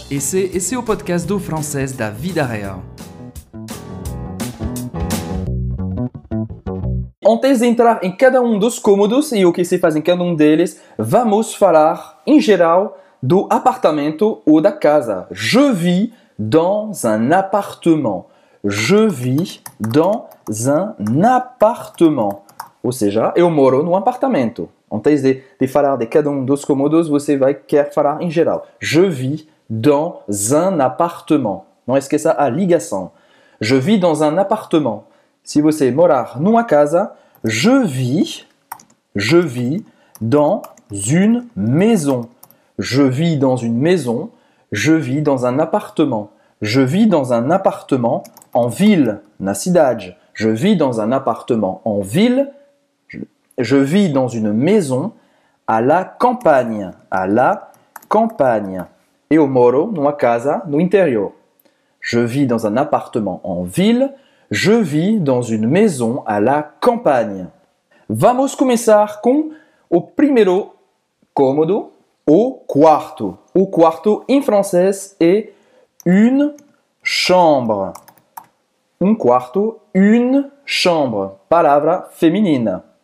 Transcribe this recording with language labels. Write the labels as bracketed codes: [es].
[pt] Esse é o podcast do francês da Vida Real. Antes de entrar em cada dos cômodos e o que se faz em cada deles, vamos falar, em geral, do apartamento ou da casa. [fr] Je vis dans un appartement. Je vis dans un appartement. [pt] Ou seja, eu moro num apartamento. Antes de falar de cada dos cômodos, você vai querer falar em geral. [fr] Je vis dans un appartement. [pt] Não esqueça a ligação. [fr] Je vis dans un appartement. [pt] Se você morar numa casa, [fr] je vis dans une maison. Je vis dans une maison. Je vis dans un appartement. Je vis dans un appartement en ville, [pt] na cidade. [fr] Je vis dans un appartement en ville. Je vis dans une maison à la campagne. À la campagne. [pt] Et eu moro numa casa no interior. [fr] Je vis dans un appartement en ville. Je vis dans une maison à la campagne. [pt] Vamos começar com o primeiro cômodo. O quarto. O quarto em francês é [fr] une chambre. [pt] Um quarto, [fr] une chambre. [pt] Palavra feminina.